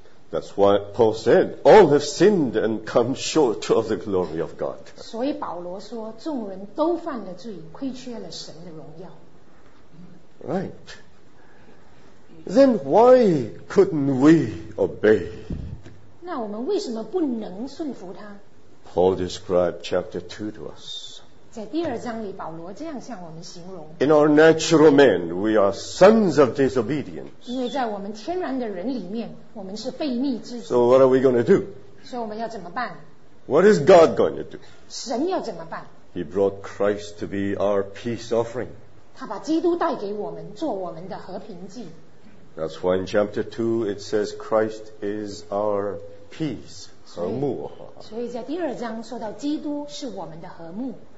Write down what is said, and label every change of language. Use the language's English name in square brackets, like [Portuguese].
[English] That's why Paul said, all have sinned and come short of the glory of God. [Chinese] 所以保罗说，众人都犯了罪，亏缺了神的荣耀。 [English] Right. Then why couldn't we obey? [Chinese] 那我们为什么不能顺服他？ [English] Paul described chapter 2 to us. [Chinese] 在第二章里，保罗这样向我们形容 [English] ：In our natural man, we are sons of disobedience. [Chinese] 因为在我们天然的人里面，我们是悖逆之子。 [English] So what are we going to do? [Chinese] 所以我们要怎么办 [English] ？What is God going to do? [Chinese] 神要怎么办 [English] ？He brought Christ to be our peace offering. [Chinese] 他把基督带给我们，做我们的和平祭。 [English] That's why in chapter 2 it says Christ is our peace, 和睦。 [Chinese] 所以在第二章说到基督是我们的和睦。